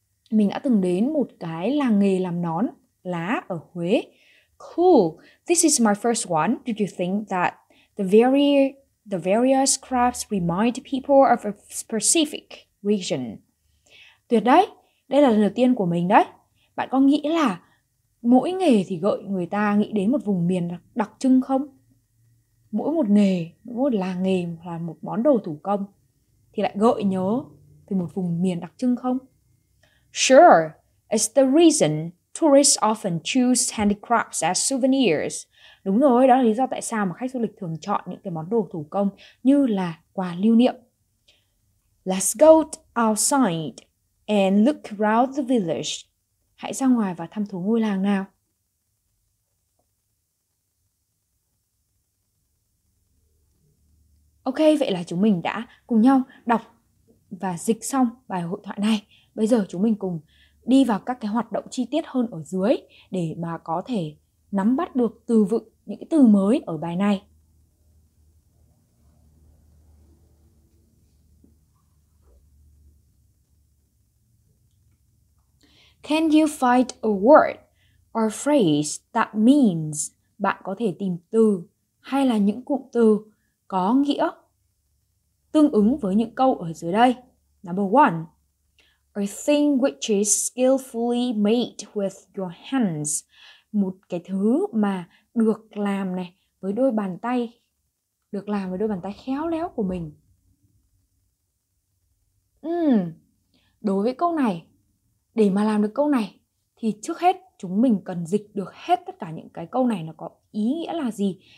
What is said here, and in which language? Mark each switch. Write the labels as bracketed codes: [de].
[vi] Mình đã từng đến một cái làng nghề làm nón lá ở Huế. [en] Cool. This is my first one. Did you think that the various crafts remind people of a specific region? [vi] Tuyệt đấy, đây là lần đầu tiên của mình đấy. Bạn có nghĩ là mỗi nghề thì gợi người ta nghĩ đến một vùng miền đặc trưng không? mỗi một nghề, mỗi một làng nghề là một món đồ thủ công thì lại gợi nhớ về một vùng miền đặc trưng không? [en] Sure, it's the reason tourists often choose handicrafts as souvenirs. [vi] Đúng rồi, đó là lý do tại sao mà khách du lịch thường chọn những cái món đồ thủ công như là quà lưu niệm. [en] Let's go outside and look around the village. [vi] Hãy ra ngoài và thăm thú ngôi làng nào. Ok, vậy là chúng mình đã cùng nhau đọc và dịch xong bài hội thoại này. Bây giờ chúng mình cùng đi vào các cái hoạt động chi tiết hơn ở dưới để mà có thể nắm bắt được từ vựng những cái từ mới ở bài này. [en] Can you find a word or phrase that means? [vi] Bạn có thể tìm từ hay là những cụm từ có nghĩa tương ứng với những câu ở dưới đây. [en] Number one, a thing which is skillfully made with your hands. [vi] Một cái thứ mà được làm này với đôi bàn tay, được làm với đôi bàn tay khéo léo của mình. Đối với câu này, để mà làm được câu này thì trước hết chúng mình cần dịch được hết tất cả những cái câu này nó có ý nghĩa là gì.